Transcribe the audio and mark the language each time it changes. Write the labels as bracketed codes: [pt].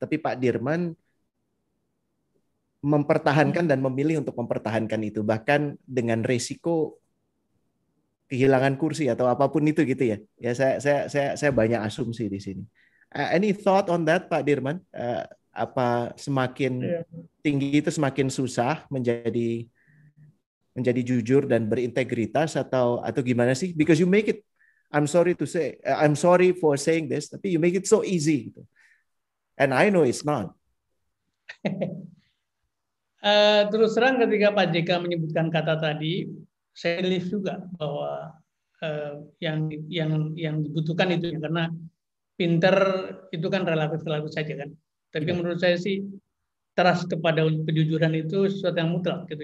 [id] Tapi Pak Dirman mempertahankan dan memilih untuk mempertahankan itu, bahkan dengan risiko kehilangan kursi atau apapun itu gitu ya. Ya saya banyak asumsi di sini. [en] Any thought on that [id] Pak Dirman? Apa semakin tinggi itu semakin susah menjadi jujur dan berintegritas atau gimana sih? [en] Because you make it, I'm sorry to say, I'm sorry for saying this, tapi you make it so easy gitu. And I know it's not. [id] Terus terang ketika Pak JK menyebutkan kata tadi, saya relief juga bahwa yang dibutuhkan itu, karena pinter itu kan relatif saja kan. Tapi menurut saya sih trust kepada kejujuran itu sesuatu yang mutlak gitu.